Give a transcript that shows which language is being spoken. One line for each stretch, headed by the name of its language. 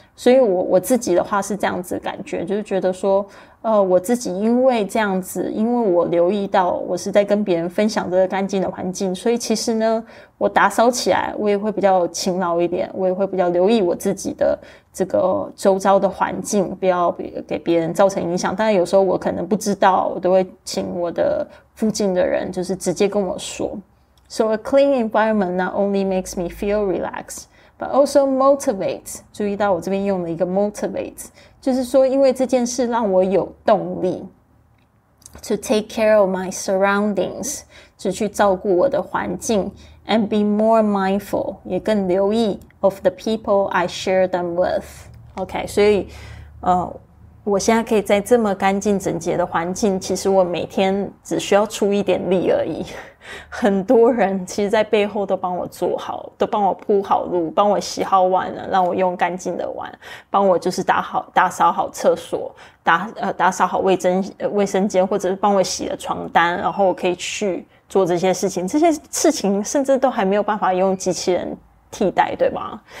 Chinese: 所以我自己的话是这样子感觉，就是觉得说，我自己因为这样子，因为我留意到我是在跟别人分享这个干净的环境，所以其实呢，我打扫起来我也会比较勤劳一点，我也会比较留意我自己的这个周遭的环境，不要给别人造成影响。但有时候我可能不知道，我都会请我的附近的人就是直接跟我说。
English: So a clean environment not only makes me feel relaxed but also motivates.
Chinese: 注意到我这边用了一个 motivates, 就是说因为这件事让我有动力
English: to take care of my surroundings,
Chinese: 就去照顾我的环境。
English: And be more mindful,
Chinese: 也更留意
English: of the people I share them with.
Chinese: OK, 所以我现在可以在这么干净整洁的环境，其实我每天只需要出一点力而已。很多人其实在背后都帮我做好，都帮我铺好路，帮我洗好碗了，让我用干净的碗，帮我就是打扫好厕所，打扫好卫生间，或者是帮我洗了床单，然后我可以去做这些事情，这些事情甚至都还没有办法用机器人替代，对吧？